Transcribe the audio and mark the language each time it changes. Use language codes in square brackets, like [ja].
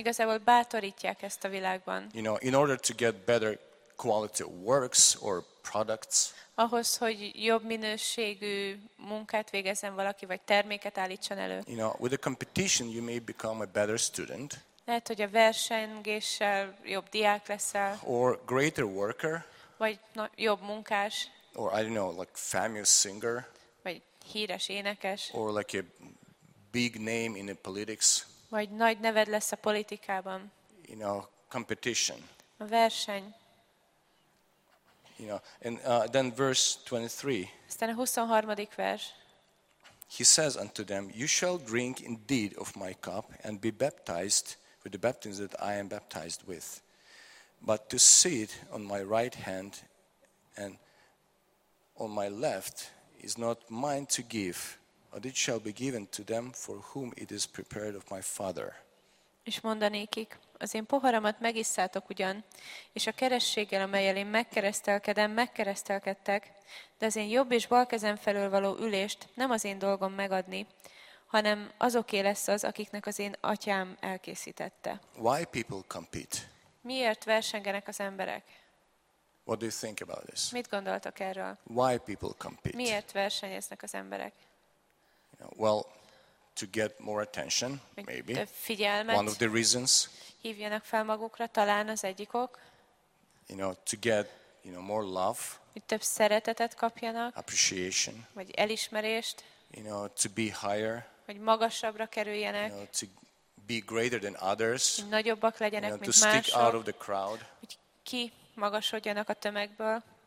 [hu] Igazából bátorítják ezt a világban. [en] You know, in order to get better quality of works or products. [hu] Ahhoz, hogy jobb minőségű munkát végezzen valaki, vagy terméket állítson elő. [en] You know, with a competition you may become a better student. [hu] Lehet, hogy a versengéssel jobb diák leszel. [en] Or greater worker. [hu] Vagy jobb munkás. [en] Or I don't know, like famous singer. [hu] Vagy híres énekes. [en] Or like a big name in the politics. [hu] Vagy nagy neved lesz a politikában. [en] You know, competition. [hu] A verseny. [en] You know, and then verse 23. [hu] Aztán a 23. vers. [en] He says unto them, you shall drink indeed of my cup and be baptized with the baptism that I am baptized with. But to sit on my right hand and on my left is not mine to give, but it shall be given to them for whom it is prepared of my Father. [hu] És mondanékik, az én poharamat megisszátok ugyan, és a kerességgel, amellyel én megkeresztelkedem, megkeresztelkedtek, de az én jobb és bal kezem felől való ülést nem az én dolgom megadni, hanem azoké lesz az, akiknek az én atyám elkészítette. [en] Why people compete? [hu] Miért versengenek az emberek? [en] What do you think about this? [hu] Mit gondoltak erről? [en] Why people compete? [hu] Miért versenyeznek az emberek? [en] Well, to get more attention, maybe. [hu] Több figyelmet. [en] One of the reasons. [hu] Hívjanak fel magukra, talán az egyik ok. [en] You know, to get, you know, more love. [hu] Hogy több szeretetet kapjanak. [en] Appreciation. [hu] Vagy elismerést. [en] You know, to be higher. [hu] Hogy magasabbra kerüljenek. [en] You know, to be greater than others. [hu] Hogy nagyobbak legyenek, [en] you know, [hu] mint [en] to [hu] mások. [en] To stick out of the crowd. [hu] Hogy ki magasodjanak a tömegből.